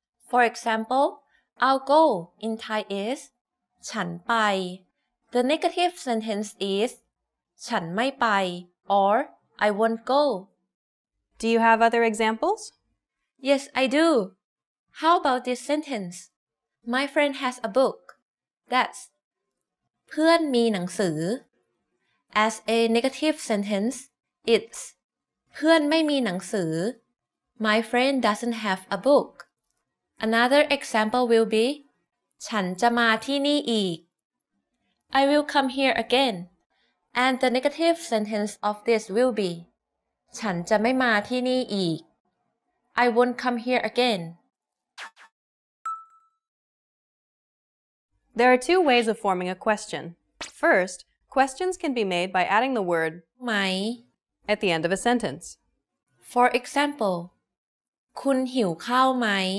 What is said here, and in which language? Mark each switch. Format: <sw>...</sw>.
<en>For example, I'll go in Thai is chan bai. The negative sentence is chan mai bai or I won't go. Do you have other examples? Yes, I do. How about this sentence? My friend has a book. That's</en> <th>เพื่อนมีหนังสือ.</th> <en>As a negative sentence, it's</en> <th>เพื่อนไม่มีหนังสือ.</th> <en>My friend doesn't have a book. Another example will be</en> <th>ฉันจะมาที่นี่อีก.</th> <en>I will come here again. And the negative sentence of this will be</en> <th>ฉันจะไม่มาที่นี่อีก.</th> <en>I won't come here again. There are two ways of forming a question. First, questions can be made by adding the word</en> <th>mai</th> <en>at the end of a sentence. For example,</en> <th>คุณหิวข้าวไหม?</th>